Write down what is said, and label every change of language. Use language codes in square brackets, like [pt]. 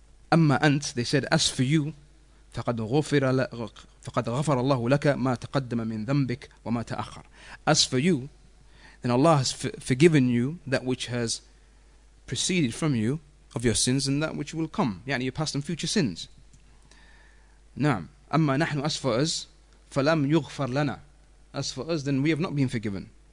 [ar] Amma ant, [en] they said, as for you, [ar] فقد غفر الله لك ما تقدم من ذنبك وما تأخر. [en] As for you, then Allah has forgiven you that which has proceeded from you of your sins and that which will come, your past and future sins. [ar] نعم. أما نحن, [en] as for us, [ar] فلم يغفر لنا. [en] As for us, then we have not been forgiven.